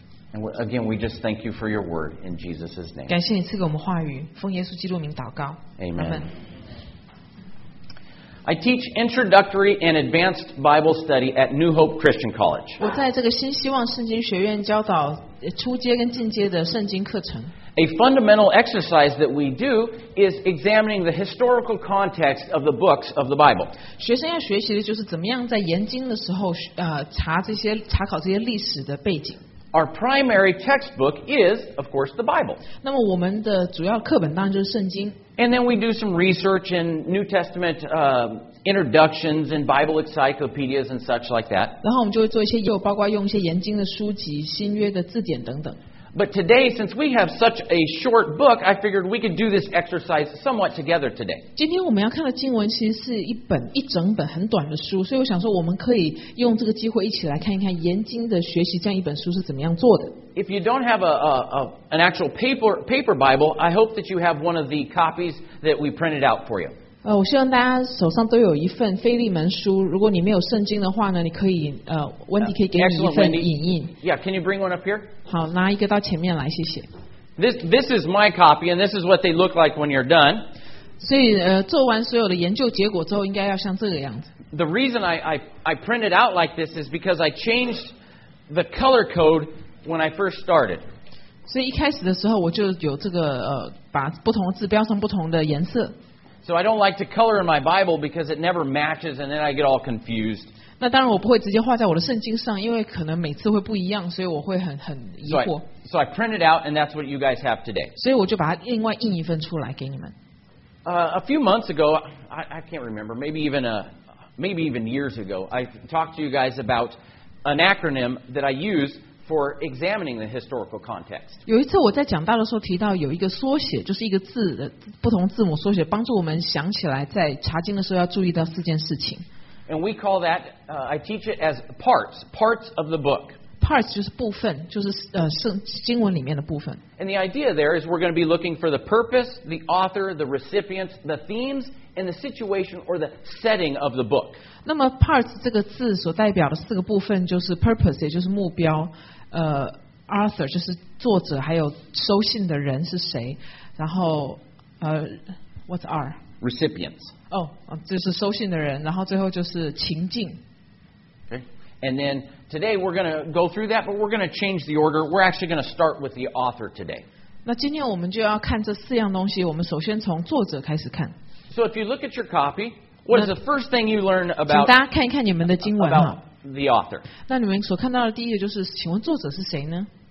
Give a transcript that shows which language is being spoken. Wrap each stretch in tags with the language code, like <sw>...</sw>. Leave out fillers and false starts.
<en>And again, we just thank you for your word in Jesus' name.</en> <zh>感谢你赐给我们话语，奉耶稣基督名祷告。</zh> <en>Amen. I teach introductory and advanced Bible study at New Hope Christian College.</en> <zh>我在这个新希望圣经学院教导初阶跟进阶的圣经课程。</zh> <en>A fundamental exercise that we do is examining the historical context of the books of the Bible.</en> <zh>学生要学习的就是怎么样在研经的时候，查考这些历史的背景。</zh> <en>Our primary textbook is, of course, the Bible.</en> <zh>那么我们的主要课本当然就是圣经。</zh> <en>And then we do some research in New Testament introductions and Bible encyclopedias and such like that.</en> <zh>然后我们就会做一些，又包括用一些研经的书籍、新约的字典等等。</zh> <en>But today, since we have such a short book, I figured we could do this exercise somewhat together today.</en> <zh>今天我们要看的经文其实是一整本很短的书，所以我想说我们可以用这个机会一起来看一看研经的学习这样一本书是怎么样做的。</zh> <en>If you don't have an actual paper Bible, I hope that you have one of the copies that we printed out for you.</en> <zh>我希望大家手上都有一份腓利门书。如果你没有圣经的话呢，你可以Wendy 可以给你一份影印。</zh> <en>Yeah, can you bring one up here?</en> <zh>好，拿一个到前面来，谢谢。</zh> <en>This is my copy, and this is what they look like when you're done.</en> <zh>所以做完所有的研究结果之后，应该要像这个样子。</zh> <en>The reason I printed out like this is because I changed the color code when I first started.</en> <zh>所以一开始的时候我就有这个把不同的字标上不同的颜色。</zh> <en>So I don't like to color in my Bible because it never matches and then I get all confused.</en> <zh>那当然我不会直接画在我的圣经上，因为可能每次会不一样，所以我会很疑惑。</zh> <en>So I print it out and that's what you guys have today.</en> <zh>所以我就把它另外印一份出来给你们。</zh> <en>A few months ago, I can't remember, maybe even years ago, I talked to you guys about an acronym that I use for examining the historical context.</en> <zh>有一次我在讲到的时候提到有一个缩写，就是一个字的不同字母缩写，帮助我们想起来在查经的时候要注意到四件事情。</zh> <en>And we call that, I teach it as parts of the book.</en> <zh>Parts 就是部分，就是经文里面的部分。</zh> <en>And the idea there is we're going to be looking for the purpose, the author, the recipients, the themes,in the situation or the setting of the book.</en> <zh>那么 parts 这个字所代表的四个部分就是 purpose， 也就是目标，author 就是作者，还有收信的人是谁，然后</zh> <en>what's R? Recipients.</en> <zh>这是收信的人，然后最后就是情境。</zh> <en>Okay. And then today we're going to go through that, but we're going to change the order. We're actually going to start with the author today.</en> <zh>那今天我们就要看这四样东西，我们首先从作者开始看。</zh> <en>So if you look at your copy, what is the first thing you learn about?</en> <zh>请大家看一看你们的经文哈。</zh> <en>About the author.</en> <zh>那你们所看到的第一页就是，请问作者是谁呢</zh>